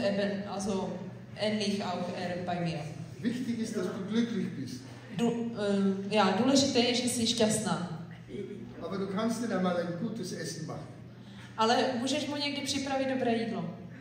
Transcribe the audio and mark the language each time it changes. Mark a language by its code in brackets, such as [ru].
[de] eben, also ähnlich auch er bei mir. Wichtig ist, dass du glücklich bist. [cs] Ja, důležité je, že jsi šťastná. [de] Aber du kannst dir einmal ein gutes Essen machen. [cs] Ale můžeš mu někdy připravit dobré jídlo.